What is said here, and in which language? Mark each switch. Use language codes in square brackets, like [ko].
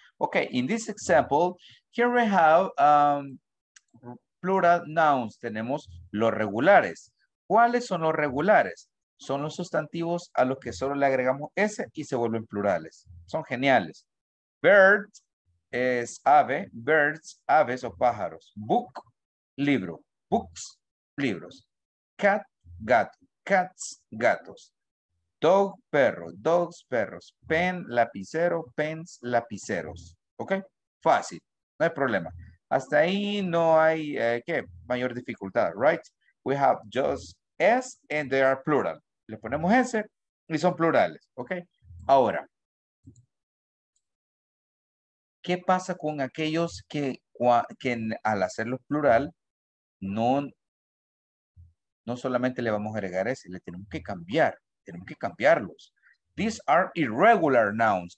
[en] Okay, in this example, here we have plural nouns. [es] Tenemos los regulares. ¿Cuáles son los regulares? Son los sustantivos a los que solo le agregamos S y se vuelven plurales. Son geniales. Bird es ave. Birds, aves o pájaros. Book, libro. Books, libros. Cat, gato. Cats, gatos. Dog, perro. Dogs, perros. Pen, lapicero. Pens, lapiceros. ¿Ok? Fácil. No hay problema. Hasta ahí no hay, ¿qué? Mayor dificultad, [en] right? We have just S and they are plural. [es] Le ponemos S y son plurales. ¿Ok? Ahora, ¿qué pasa con aquellos que al hacerlo plural no solamente le vamos a agregar S, le tenemos que cambiar? Tenemos que cambiarlos. [en] These are irregular nouns.